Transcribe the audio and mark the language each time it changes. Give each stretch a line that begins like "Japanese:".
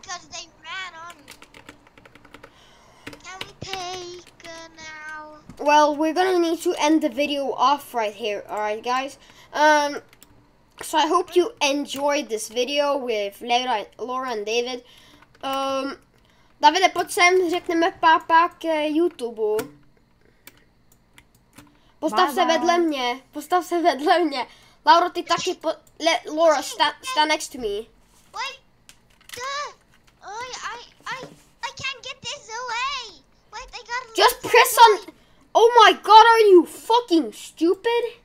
English: No, because they ran on me. Can we take now? Well, we're gonna need to end the video off right here. Alright, guys. So I hope you enjoyed this video with Laura and David.
Czech: David, pojď sem, řekneme pápák YouTube. Postav se vedle mě. Postav se vedle mě.
English: Laura,
Czech: ty taky
English: Laura, stand next to me. I can't get this away. Wait, I gotta. Just press on. Oh my god, are you fucking stupid?